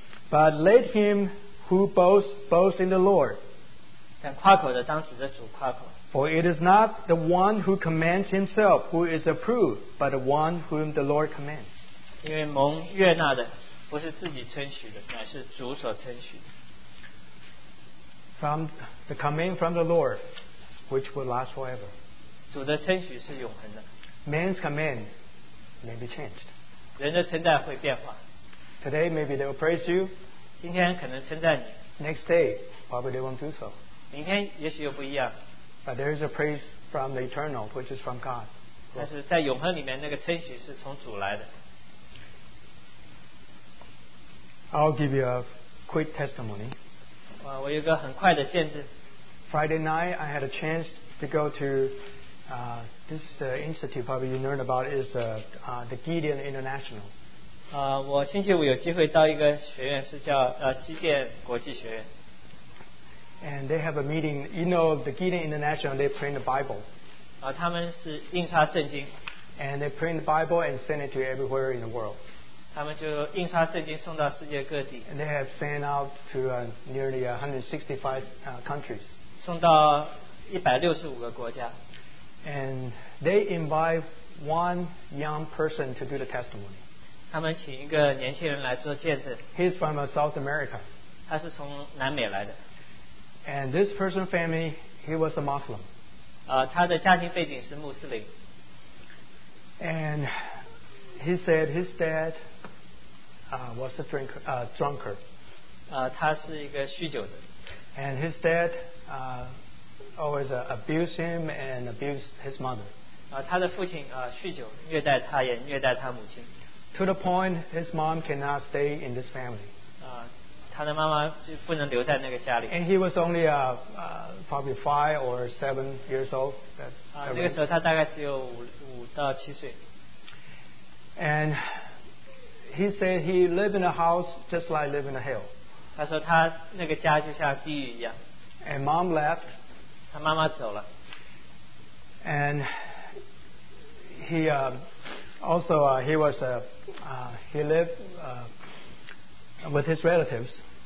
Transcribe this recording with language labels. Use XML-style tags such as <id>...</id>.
<en>But let him who boasts in the Lord.</en> <zh>但夸口的当指着主夸口。</zh> <en>For it is not the one who commands himself who is approved, but the one whom the Lord commands.</en> <zh>因为蒙悦纳的不是自己称许的，乃是主所称许的。</zh> <en>From the command from the Lord, which will last forever.</en> <zh>主的称许是永恒的。</zh> <en>Man's command may be changed.</en> <zh>人的称赞会变化。</zh> <en>Today maybe they will praise you.</en> <zh>今天可能称赞你,</zh> <en>next day, probably they won't do so.</en> <zh>明天也许又不一样,</zh> <en>but there is a praise from the eternal, which is from God.</en> <zh>但是在永恒里面那个称许是从主来的。</zh> <en>I'll give you a quick testimony.</en> <zh>我有个很快的见证。</zh> <en>Friday night, I had a chance to go to this institute, probably you learned about it, is the Gideon International.</en> <zh>我星期五有机会到一个学院，是叫基甸国际学院。</zh> <en>And they have a meeting. You know, the Gideon International, they print the Bible.</en> <zh>他们是印刷圣经。</zh> <en>And they print the Bible and send it to everywhere in the world.</en> <zh>他们就印刷圣经送到世界各地。</zh> <en>And they have sent out to nearly 165 countries.</en> <zh>送到165个国家。</zh> <en>And they invite one young person to do the testimony. He's from South America. And this person's family, he was a Muslim. And he said his dad was a drunkard. And his dad always abused him and abused his mother.</en> <zh>他的父亲酗酒，虐待他，也虐待他母亲。</zh> <en>To the point, his mom cannot stay in this family.</en> <zh>他的妈妈就不能留在那个家里。</zh> <en>And he was only probably 5 or 7 years old.</en> <zh>那个时候他大概只有五到七岁。</zh> <en>And he said he lived in a house just like living in a hell.</en> <zh>他说他那个家就像地狱一样。</zh> <en>And mom left.</en> <zh>他妈妈走了。</zh> <en>And he also he was a he lived with his relatives.</en>